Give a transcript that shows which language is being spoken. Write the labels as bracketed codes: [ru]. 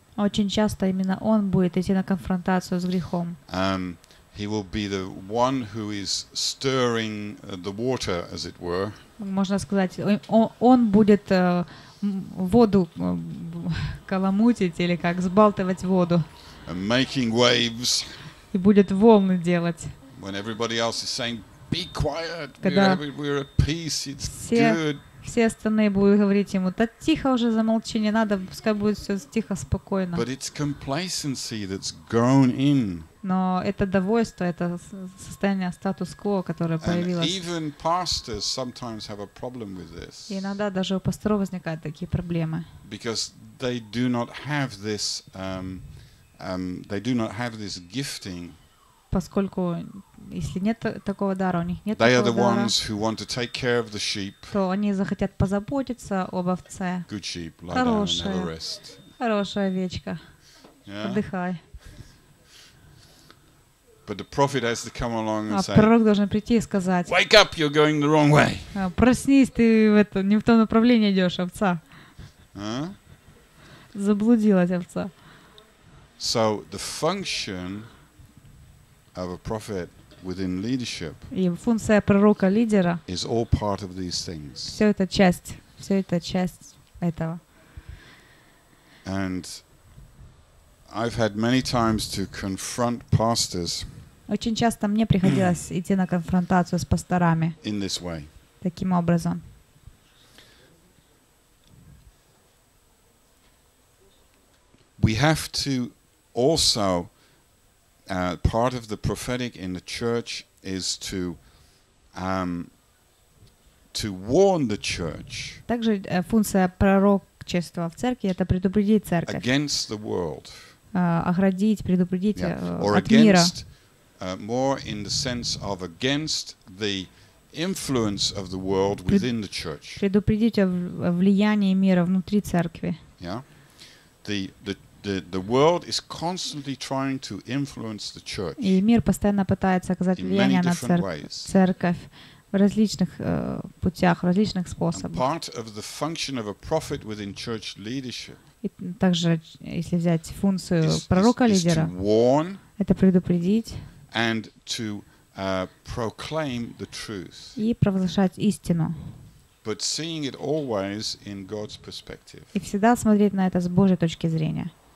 [ru] Очень часто именно он будет идти на конфронтацию с грехом. [en] He will be the one who is stirring the water, as it were. [ru] Можно сказать, он будет воду каламутить или как взбалтывать воду. [en] And making waves. [ru] И будет волны делать. [en] When everybody else is saying, "Be quiet, we're at peace, it's good." [ru] Все остальные будут говорить ему, да тихо уже, замолчи, не надо, пускай будет все тихо, спокойно. [en] But it's complacency that's grown in. [ru] Но это довольство, это состояние статус-кво, которое появилось. [en] And even pastors sometimes have a problem with this. [ru] И иногда даже у пасторов возникают такие проблемы. [en] Because they do not have this, they do not have this gifting. [ru] Поскольку если нет такого дара, у них нет [en] they [ru] такого дара, [en] ones who want to take care of the sheep. [ru] То они захотят позаботиться об овце. [en] Good sheep, lie [ru] хорошая, [en] down, never rest. [ru] Хорошая овечка. Yeah. Отдыхай. [en] But the prophet has to come along and say, [ru] пророк должен прийти и сказать, [en] wake up, you're going the wrong way. [ru] Проснись, ты в это, не в том направлении идешь, овца. Заблудилась овца. [en] So the function of a prophet within leadership. [ru] И функция пророка лидера. [en] Is all part of these things. [ru] Все это часть этого. [en] And I've had many times to confront pastors. [ru] Очень часто мне приходилось идти на конфронтацию с пасторами. [en] In this way. [ru] Таким образом. [en] We have to also part of the prophetic in the church is to to warn the church. [ru] Также функция пророчества в церкви — это предупредить церковь. [en] Against the world. [ru] Оградить, предупредить от мира. [en] More in the sense of against the influence of the world within the church. [ru] Предупредить о влиянии мира внутри церкви. [en] The world is constantly trying to influence the church. [ru] И мир постоянно пытается оказать влияние на церковь в различных путях, в различных способах. [en] Part of the function of a prophet within church leadership. [ru] И также, если взять функцию пророка-лидера, это предупредить [en] and to proclaim the truth. [ru] И провозглашать истину. [en] But seeing it always in God's perspective. [ru] И всегда смотреть на это с Божьей точки зрения.